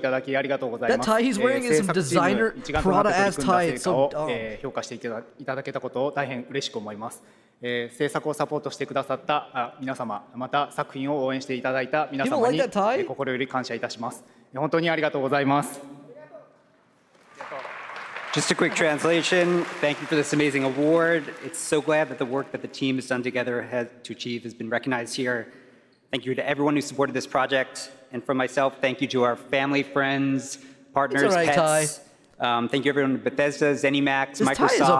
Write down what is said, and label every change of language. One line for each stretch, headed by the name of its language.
English: That tie he's wearing is some designer Prada-ass tie. It's so dumb.
Japanese: 評価していただけたことを大変嬉しく思います。制作をサポートしてくださった皆様、また作品を応援していただいた皆様に心より感謝いたします。本当にありがとうございます。
English: Just a quick translation. Thank you for this amazing award. It's so glad that the work that the team has done together has to achieve has been recognized here. Thank you to everyone who supported this project. And for myself, thank you to our family, friends, partners, right, pets. Ty. Thank you everyone at Bethesda, ZeniMax, this Microsoft,